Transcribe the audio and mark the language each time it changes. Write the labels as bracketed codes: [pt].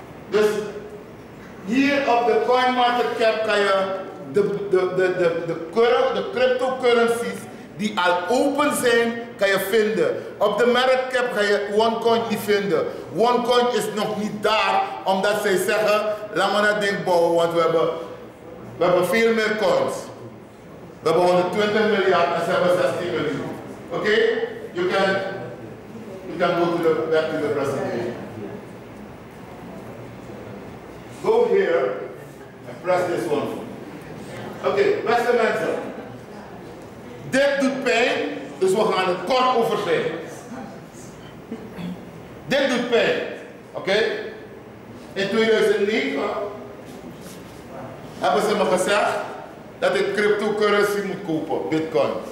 [nl] Dus hier op de coin market cap kan je de cryptocurrencies die al open zijn, kan je vinden. Op de market cap ga je Onecoin niet vinden. Onecoin is nog niet daar, omdat zij zeggen, laat maar dat ding bouwen, want we hebben veel meer coins. We hebben 120 miljard en ze hebben 16 miljoen. Oké? Okay? [en] You can go back to the presentation. Go here and press this one. [nl] Oké, okay, beste mensen. Dit doet pijn, dus we gaan het kort over zijn. Dit doet pijn, oké? In 2009 hebben ze me gezegd dat ik cryptocurrency moet kopen, Bitcoin.